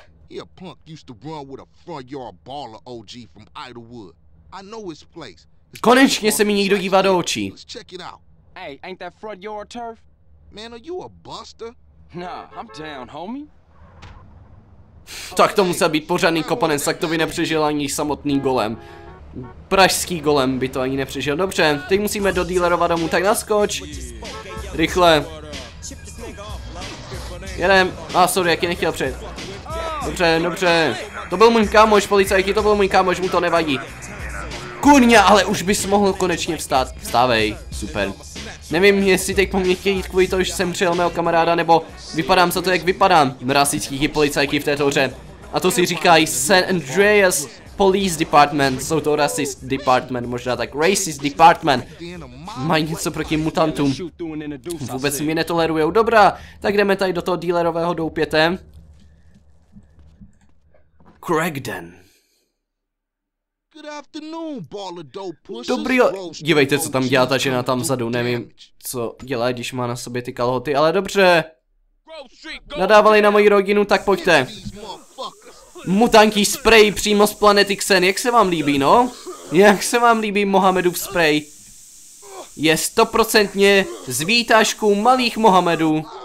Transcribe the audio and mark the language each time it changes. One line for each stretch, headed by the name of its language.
English: He a punk used to run with a front yard baller OG from Idlewood. I know his place.
Czech: Konečně se mi někdo dívá do očí.
English: Hey, ain't that front yard turf? Man, are you a buster? Nah, I'm down, homie.
Czech: Tak to musel být pořádný kopanec, tak to by nepřežil ani samotný golem. Pražský golem by to ani nepřežil. Dobře, teď musíme do dealerova domu, tak naskoč. Rychle. Jedem. Sorry, jak je nechtěl přejet. Dobře. To byl můj kámoš, policajti, to byl můj kámoš, mu to nevadí. Kurňa, ale už bys mohl konečně vstát. Vstávej, super. Nevím, jestli teď po mě chtějí jít kvůli toho, že jsem přijel mého kamaráda, nebo vypadám za to, jak vypadám. Mrazící ti policajti v této hře. A to si říkají San Andreas Police Department. Jsou to
English: racist department,
Czech: možná tak racist department. Mají něco proti mutantům. Vůbec mě netolerujou. Dobrá, tak jdeme tady do toho dealerového doupěte. Craigden.
English: Good afternoon, baller dope pusher.
Czech: Dobrý, dívejte, co tam dělá ta žena tam vzadu, nevím, co dělá, když má na sobě ty kalhoty, ale dobře. Nadávali na moji rodinu, tak pojďte. Mutantí spray přímo z planety Xen, jak se vám líbí, no? Jak se vám líbí Mohamedův spray? Je 100% z výtažků malých Mohamedů.